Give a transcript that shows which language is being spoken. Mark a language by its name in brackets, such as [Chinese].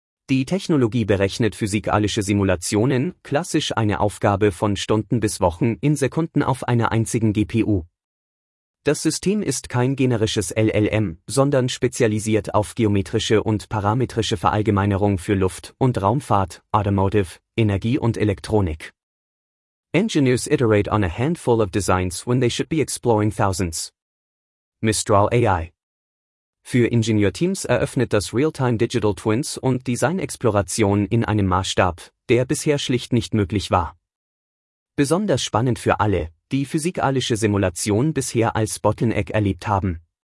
[German] Die Technologie berechnet physikalische Simulationen, klassisch eine Aufgabe von Stunden bis Wochen in Sekunden auf einer einzigen GPU. Das System ist kein generisches LLM, sondern spezialisiert auf geometrische und parametrische Verallgemeinerung für Luft- und Raumfahrt, Automotive, Energie und Elektronik. [English] Engineers iterate on a handful of designs when they should be exploring thousands. Mistral AI. [German] Für Ingenieurteams eröffnet das Real-Time Digital Twins und Design-Exploration in einem Maßstab, der bisher schlicht nicht möglich war. Besonders spannend für alle, die physikalische Simulation bisher als Bottleneck erlebt haben.